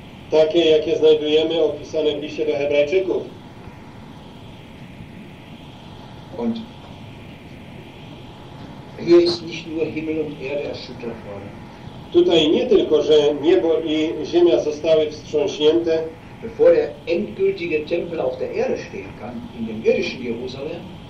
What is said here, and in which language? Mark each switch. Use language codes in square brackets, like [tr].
[pl] Takie, jakie znajdujemy opisane w liście do Hebrajczyków. [de] Und hier ist nicht nur Himmel und Erde erschüttert worden. [pl] Tutaj nie tylko, że niebo i ziemia zostały wstrząśnięte. [de] Bevor der endgültige Tempel auf der Erde stehen kann, in dem irdischen Jerusalem.